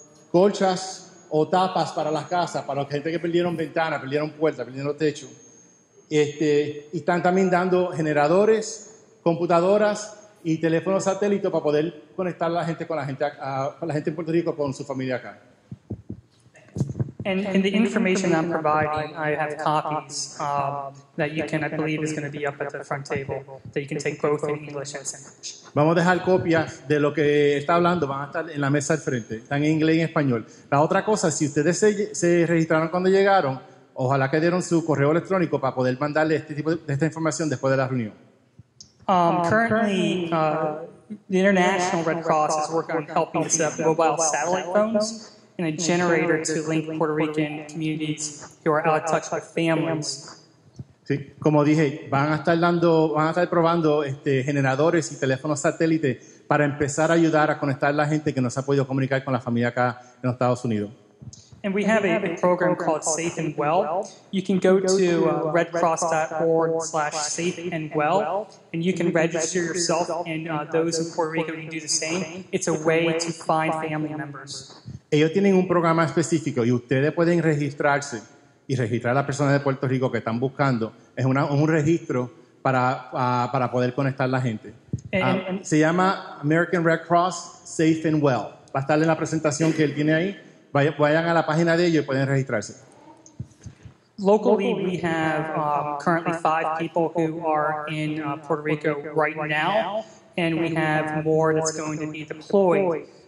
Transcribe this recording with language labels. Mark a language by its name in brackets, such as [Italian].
[Spanish] colchas o tapas para las casas, para la gente que perdieron ventanas, perdieron puertas, perdieron techo. Y están también dando generadores, computadoras y teléfonos satélites para poder conectar a la gente con la gente, a la gente en Puerto Rico con su familia acá. [English] And in the information I'm providing, I have copies that you can, I believe, is going to be up at the front table that you can take both in English and Spanish. [Spanish] Vamos a dejar copias de lo que está hablando, van a estar en la mesa al frente, están en inglés y en español. La otra cosa, si ustedes se registraron cuando llegaron, ojalá que dieron su correo electrónico para poder mandarle este tipo de esta información después de la reunión. [English] Currently, the International Red Cross is working on helping to set up mobile satellite phones and a generator to link Puerto Rican communities who are out of touch with families. [Spanish] Sí, como dije, van a estar probando generadores y teléfonos satélite para empezar a ayudar a conectar a la gente que no se ha podido comunicar con la familia acá en los Estados Unidos. [English] And we have a program called Safe and Well. You can go to redcross.org/safeandwell and you can register yourself and those in Puerto Rico can do the same. It's a way to find family members. [Spanish] Ellos tienen un programa específico y ustedes pueden registrarse y registrar a las personas de Puerto Rico que están buscando. Es un registro para poder conectar a la gente. Se llama American Red Cross Safe and Well. Va a estar en la presentación que él tiene ahí. Vayan a la página de ellos y pueden registrarse. [English] Locally, we have currently 5 people who are in Puerto Rico right now, and we have more that's going to be deployed.